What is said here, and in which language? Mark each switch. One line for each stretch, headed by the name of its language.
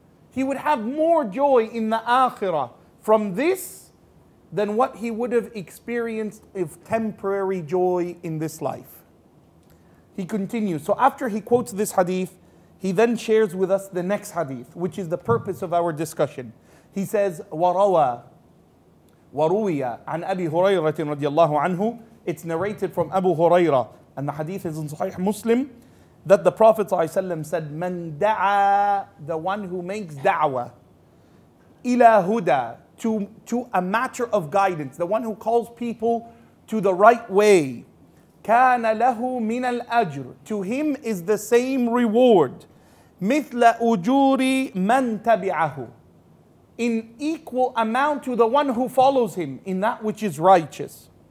English: He would have more joy in the Akhirah from this than what he would have experienced of temporary joy in this life. He continues. So after he quotes this hadith, he then shares with us the next hadith, which is the purpose of our discussion. He says,
Arabic: وَرَوَى وَرُوِيَ عَنْ أَبِي هُرَيْرَةٍ رَضِيَ اللَّهُ عَنْهُ.
English: It's narrated from Abu Huraira, and the hadith is in Sahih Muslim, that the Prophet ﷺ said,
Arabic: مَنْ دَعَى,
English: the one who makes da'wah,
Arabic: إِلَى هُدَى,
English: to a matter of guidance, the one who calls people to the right way,
Arabic: كَانَ لَهُ مِنَ الْأَجْرِ,
English: to him is the same reward,
Arabic: مِثْلَ أُجُورِ مَنْ تَبِعَهُ,
English: in equal amount to the one who follows him in that which is righteous.